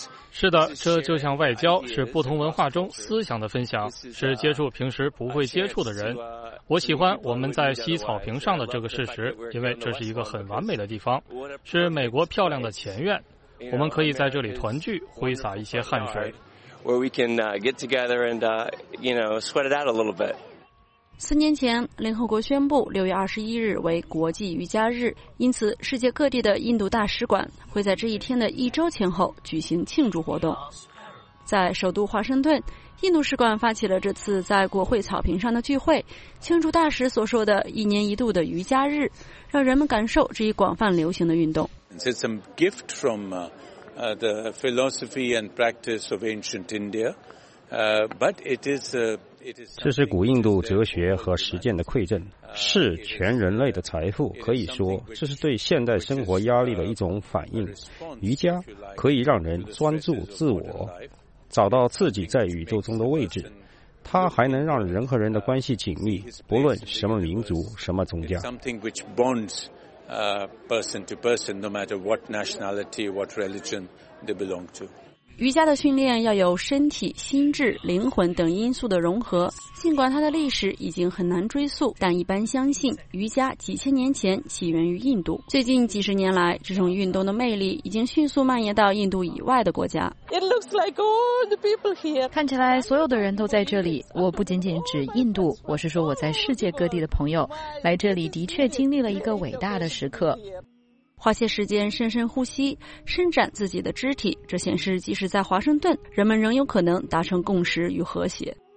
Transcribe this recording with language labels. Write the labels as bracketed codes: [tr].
[zh] 是的，这就像外交，是不同文化中思想的分享，是接触平时不会接触的人。我喜欢我们在西草坪上的这个事实，因为这是一个很完美的地方，是美国漂亮的前院。我们可以在这里团聚，挥洒一些汗水。 [en] Where we can get together and, you know, sweat it out a little bit. [zh] 四年前，联合国宣布6月21日为国际瑜伽日，因此世界各地的印度大使馆会在这一天的一周前后举行庆祝活动。在首都华盛顿，印度使馆发起了这次在国会草坪上的聚会，庆祝大使所说的一年一度的瑜伽日，让人们感受这一广泛流行的运动。 [en] It's a gift from, the philosophy and practice of ancient India, but it is. [zh] 这是古印度哲学和实践的馈赠，是全人类的财富。可以说，这是对现代生活压力的一种反应。瑜伽可以让人专注自我，找到自己在宇宙中的位置。它还能让人和人的关系紧密，不论什么民族、什么宗教。 [en] Something which bonds, person to person, no matter what nationality, what religion. [zh] 瑜伽的训练要有身体、心智、灵魂等因素的融合。尽管它的历史已经很难追溯，但一般相信瑜伽几千年前起源于印度。最近几十年来，这种运动的魅力已经迅速蔓延到印度以外的国家。 [en] It looks like all the people here. [zh] 看起来所有的人都在这里。我不仅仅指印度，我是说我在世界各地的朋友来这里的确经历了一个伟大的时刻。花些时间深深呼吸，伸展自己的肢体，这显示即使在华盛顿，人们仍有可能达成共识与和谐。